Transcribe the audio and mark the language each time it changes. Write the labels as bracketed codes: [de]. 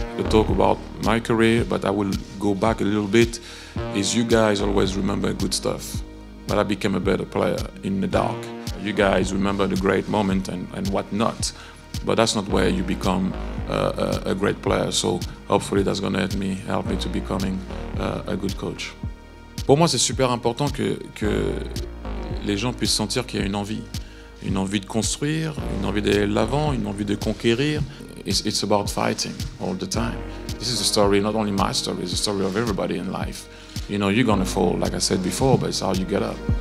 [en] Talk about my career, but I will go back a little bit. Is you guys always remember good stuff, but I became a better player in the dark. You guys remember the great moment and whatnot, but that's not where you become a great player. So hopefully that's gonna help me to becoming a good coach. [fr] Pour moi, c'est super important que les gens puissent sentir qu'il y a une envie de construire, une envie d'aller de l'avant, une envie de conquérir. [en] It's about fighting all the time. This is a story, not only my story, it's a story of everybody in life. You know, you're gonna fall, like I said before, but it's how you get up.